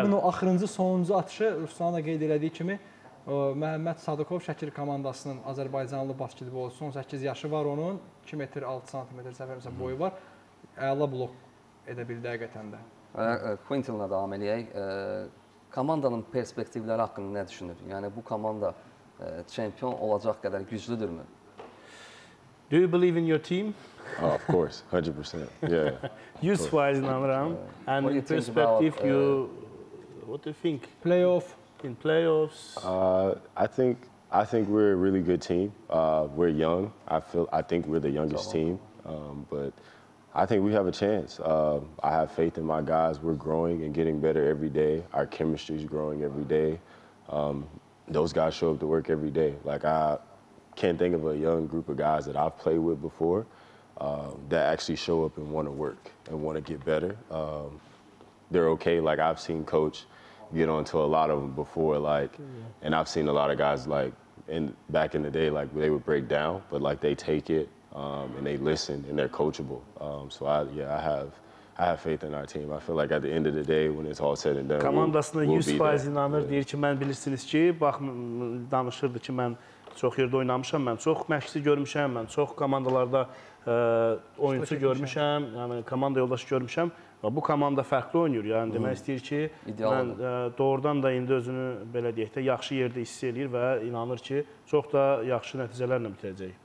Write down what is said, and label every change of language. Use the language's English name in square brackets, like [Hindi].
[Azerbaijani] Həmin o axırıncı, sonuncu atışı Ruslan da qeyd elədiyi kimi Məhəmməd Sadıqov Şəki komandasının azərbaycanlı basketbolçusu, 18 yaşı var onun, 2 metr 6 santimetr səfərimsə boyu var, əla blok edə bildi həqiqətən də. Quintin ilə davam eləyək. Komandanın perspektivləri haqqında nə düşünür? Yəni, bu komanda çempion olacaq qədər güclüdürmü? [English] Do you believe in your team? Of course, 100%. Yeah. [Azerbaijani] 100% inanıram. [English] And in perspective, what do you think? Playoff. In playoffs? I think we're a really good team. We're young. I think we're the youngest team. But I think we have a chance. I have faith in my guys. We're growing and getting better every day. Our chemistry is growing every day. Those guys show up to work every day. Like, I can't think of a young group of guys that I've played with before that actually show up and want to work and want to get better. They're okay. Like, I've seen Coach get onto a lot of them before, like, and I've seen a lot of guys, like, back in the day, like, they would break down, but, like, they take it. And they listen and they're coachable. So I have faith in our team. I feel like at the end of the day when it's all said and done. [Azerbaijani] Komandasına 100% inanır. Yeah. Deyir ki, mən bilirsiniz ki, bax danışırdı ki, mən çox yerdə oynamışam, mən çox məşqçi görmüşəm, mən çox komandalarda oyunçu görmüşəm, yəni komanda yoldaşı görmüşəm və bu komanda fərqli oynayır. Yəni demək istəyir ki, mən doğrudan da indi özünü belə deyək də yaxşı yerdə hiss eləyir və inanır ki, çox da yaxşı nəticələrlə bitəcək.